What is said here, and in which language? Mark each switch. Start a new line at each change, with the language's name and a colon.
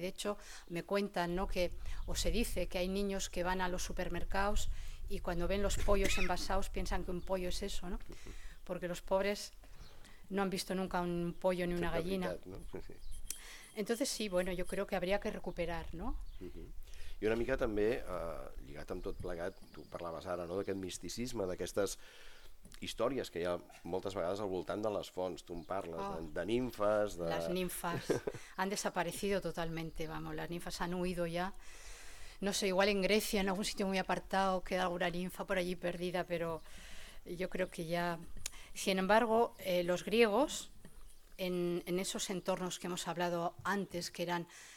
Spanish: Y de hecho me cuentan, ¿no?, que, o se dice que hay niños que van a los supermercados y cuando ven los pollos envasados piensan que un pollo es eso, ¿no? Porque los pobres no han visto nunca un pollo ni una gallina. Entonces sí, bueno, yo creo que habría que recuperar, ¿no?
Catalan: I una mica també, lligat amb tot plegat, tu parlaves ara, no?, d'aquest misticisme, d'aquestes històries que hi ha moltes vegades al voltant de les fonts. Tu em parles de ninfes...
Spanish: Las ninfas han desaparecido totalmente, vamos, las ninfas han huido ya. No sé, igual en Grecia, en algún sitio muy apartado, queda alguna ninfa por allí perdida, pero yo creo que ya... Sin embargo, los griegos, en esos entornos que hemos hablado antes, que eran...